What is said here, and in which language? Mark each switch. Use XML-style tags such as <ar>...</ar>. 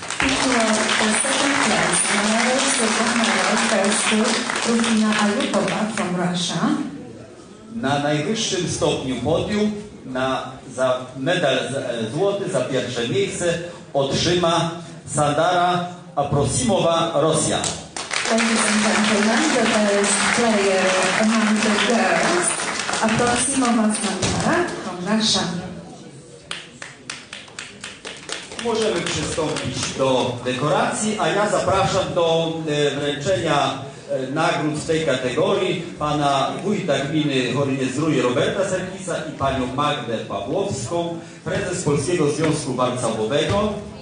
<en>Second place, So, Rufina Alupova from Russia.</en> <pl>Na najwyższym stopniu podium, za medal złoty, za pierwsze miejsce, otrzyma Sandara Aprosimova, Rosja.</pl> <en>Ladies and gentlemen, the best player among the girls, Aprosimova Sandara from Russia.</en> <pl>Możemy przystąpić do dekoracji, a ja zapraszam do wręczenia nagród w tej kategorii pana wójta gminy Horynie-Zdrój Roberta Serkisa i panią Magdę Pawłowską, prezes Polskiego Związku Warcałowego.</pl>